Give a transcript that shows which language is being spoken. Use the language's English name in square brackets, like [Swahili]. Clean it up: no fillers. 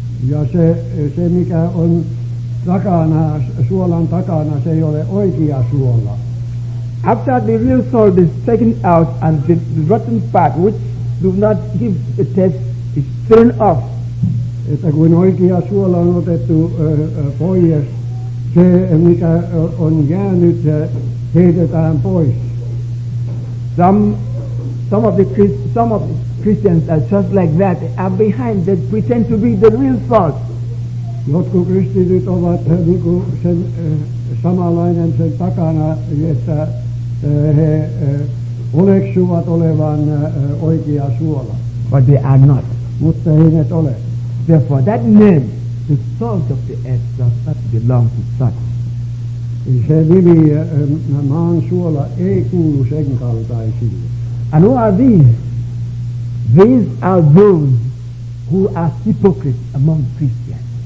[Finnish] Ja se mikä on takana, suolan takana, se ei ole oikea suola. [English] After the real salt is taken out and the rotten part which do not give a taste is thrown off. [Finnish] Että kun oikea suola on otettu pois, se mikä on jäänyt, heitetään pois. [English] Some of the Christians are just like that, are behind, they pretend to be the real salt. [Finnish] Jotkut kristityt ovat niin kuin sen samanlainen sen takana, että he oleksuvat olevan oikea suola. [English] But they are not. [Finnish] Mutta eivät ole. [English] Therefore, that name, the salt of the earth, does not belong to such. [Finnish] Se nimi, maan suola, ei kuulu sen kaltaisille. [English] And who are these? These are those who are hypocrites among Christians.